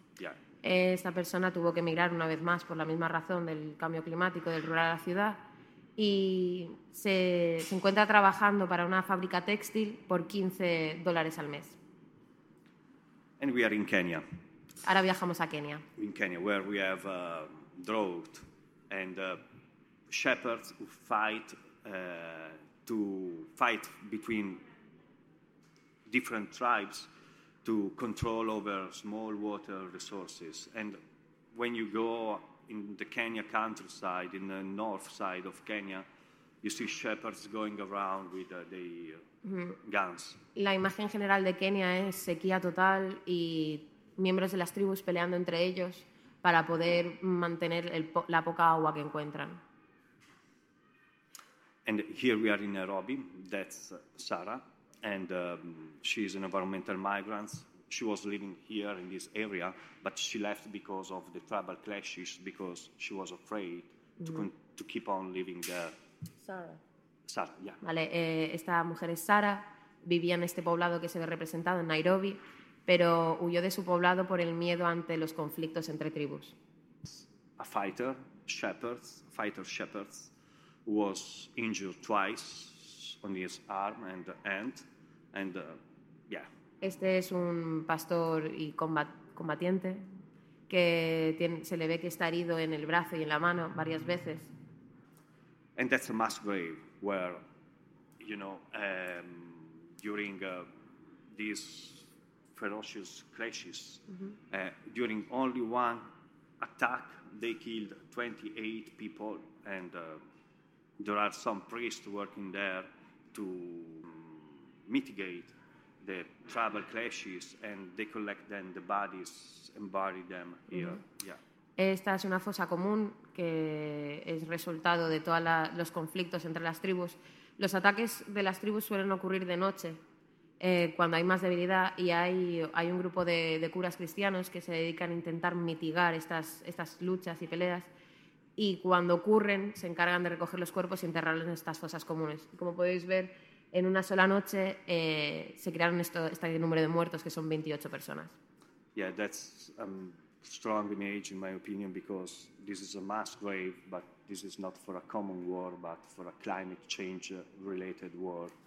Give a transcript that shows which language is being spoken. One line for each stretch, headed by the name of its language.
English: Yeah.
Spanish: Esta persona tuvo que emigrar una vez más por la misma razón del cambio climático, del rural a la ciudad, y se encuentra trabajando para una fábrica textil por $15 al mes.
English: And we are in Kenya.
Spanish: Ahora viajamos a Kenia.
English: In Kenya, where we have drought and shepherds who fight to fight between different tribes to control over small water resources. And when you go in the Kenya countryside, in the north side of Kenya, you see shepherds going around with their guns.
Spanish: La imagen general de Kenia es sequía total y miembros de las tribus peleando entre ellos para poder mantener la poca agua que encuentran.
English: And here we are in Nairobi. That's Sarah, and she is an environmental migrant. She was living here in this area, but she left because of the tribal clashes, because she was afraid to keep on living there. Sarah. Yeah.
Spanish: Vale, esta mujer es Sarah. Vivía en este poblado que se ve representado en Nairobi, pero huyó de su poblado por el miedo ante los conflictos entre tribus.
English: A fighter, shepherds, fighter shepherds, was injured twice on his arm and hand, and yeah.
Spanish: Este es un pastor y combatiente que se le ve que está herido en el brazo y en la mano varias veces.
English: And that's a mass grave where, you know, during this ferocious clashes. Mm-hmm. During only one attack, they killed 28 people, and there are some priests working there to mitigate the tribal clashes, and they collect then the bodies and bury them here. Mm-hmm. Yeah.
Spanish: Esta es una fosa común que es resultado de todos los conflictos entre las tribus. Los ataques de las tribus suelen ocurrir de noche. Cuando hay más debilidad y hay un grupo de curas cristianos que se dedican a intentar mitigar estas luchas y peleas, y cuando ocurren se encargan de recoger los cuerpos y enterrarlos en estas fosas comunes. Y como podéis ver, en una sola noche se crearon este número de muertos, que son 28 personas.
English: Yeah, that's strong image in my opinion, because this is a mass grave, but this is not for a common war, but for a climate change related war.